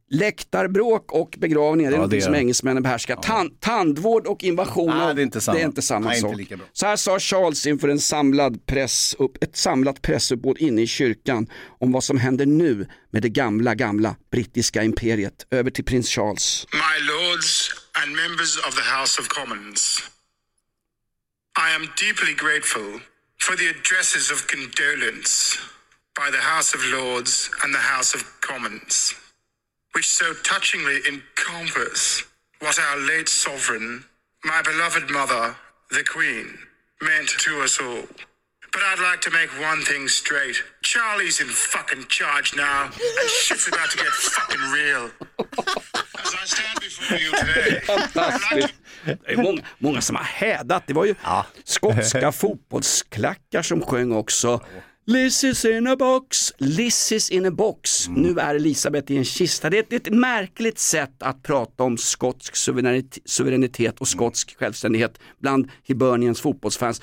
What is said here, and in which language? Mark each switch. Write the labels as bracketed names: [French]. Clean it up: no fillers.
[Swedish] Läktarbråk och begravningar, det är något som engelsmännen behärskar. Tandvård och invasion, det är inte samma sak. Så här sa Charles inför en samlad press upp, ett samlat pressuppbåd inne i kyrkan om vad som händer nu med det gamla brittiska imperiet. Över till prins Charles. [English] My lords and members of the House of Commons, I am deeply grateful for the addresses of condolence by the House of Lords and the House of Commons, which so touchingly encompass what our late sovereign, my beloved mother, the Queen, meant to us all. But I'd like to make one thing straight. Charlie's in fucking charge now, and shit's about to get fucking real. As I stand before you today, [Swedish] det är många som har hädat. Det var ju skotska fotbollsklackar som sjöng också. [English] Lissis in a box. Mm. [Swedish] Nu är Elisabeth i en kista. Det är ett märkligt sätt att prata om skotsk suveränitet och skotsk självständighet bland Hiberniens fotbollsfans.